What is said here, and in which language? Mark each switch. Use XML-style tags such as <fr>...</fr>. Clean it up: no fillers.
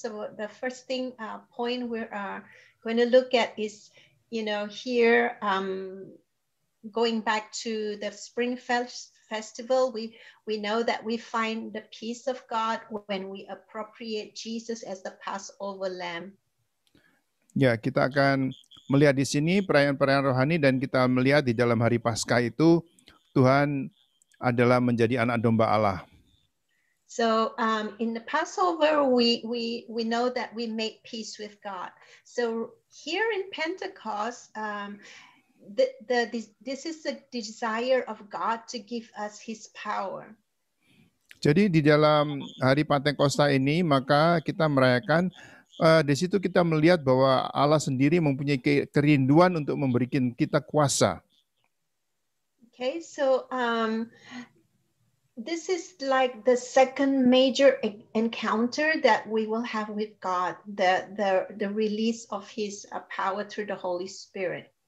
<en>So the first thing point we are going to look at is, you know, here going back to the Spring Festival, we know that we find the peace of God when we appropriate Jesus as the Passover Lamb.</en> <id>Ya, kita akan melihat di sini perayaan-perayaan rohani dan kita melihat di dalam hari Paskah itu Tuhan adalah menjadi anak domba Allah.</id> <en>So in the Passover we know that we make peace with God. So here in Pentecost this is the desire of God to give us his power.</en> <id>Jadi di dalam hari Pentakosta ini maka kita merayakan di situ kita melihat bahwa Allah sendiri mempunyai kerinduan untuk memberikan kita kuasa.</id> <en>Okay, so this is like the second major encounter that we will have with God, the release of his power through the Holy Spirit.</en>